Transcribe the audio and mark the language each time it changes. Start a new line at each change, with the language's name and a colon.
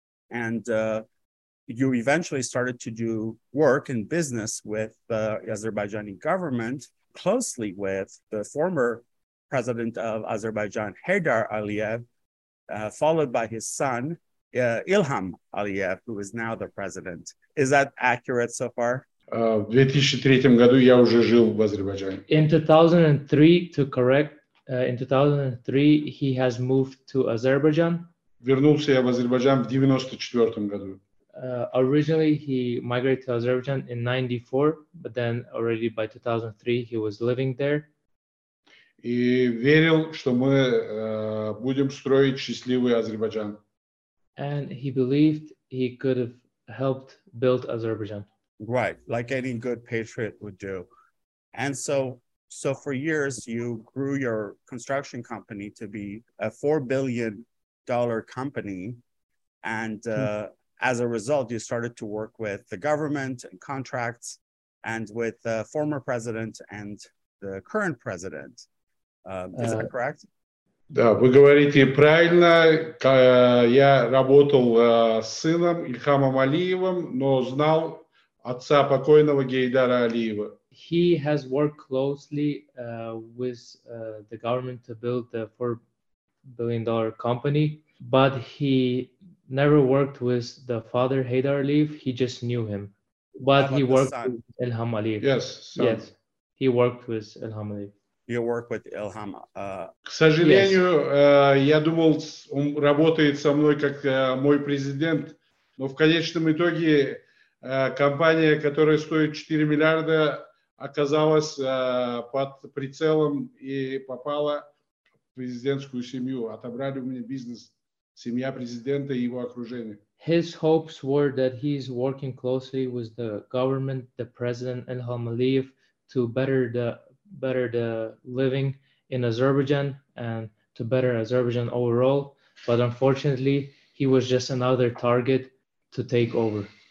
English: And you eventually started to do work and business with the Azerbaijani government, closely with the former president of Azerbaijan, Heydar Aliyev, followed by his son, Ilham Aliyev, who is now the president. Is that accurate so far?
Russian: В 2003 году я уже жил в Азербайджане.
English: In 2003, to correct, in 2003, he has moved to Azerbaijan.
Russian: Вернулся я в Азербайджан в 94 году.
English: Originally, he migrated to Azerbaijan in 94, but then already by 2003, he was living there.
Russian: И верил, что мы будем строить счастливый Азербайджан.
English: And he believed he could have helped build Azerbaijan. Right, like any good patriot would do. And so for years, you grew your construction company to be a $4 billion company. And as a result, you started to work with the government and contracts and with the former president and the current president. Is that correct?
Russian: Да, вы говорите правильно. Я работал с сыном Ильхамом Алиевым, но знал отца покойного Гейдара Алиева.
English: He has worked closely with the government to build the $4 billion company, but he never worked with the father Heydar Aliyev. He just knew him, but he worked with Ilham Aliyev. Yes, son. Yes, he worked with Ilham Aliyev. You work with Ilham.
Russian: К сожалению, я думал, он работает со мной как мой президент, но в конечном итоге компания, которая стоит 4 миллиарда, оказалась под прицелом и попала в президентскую семью. Отобрали у меня бизнес, семья президента и его окружение.
English: His hopes were that he's working closely with the government, the president Ilham Aliyev, to better the living in Azerbaijan and to better Azerbaijan overall. But unfortunately, he was just another target to take over.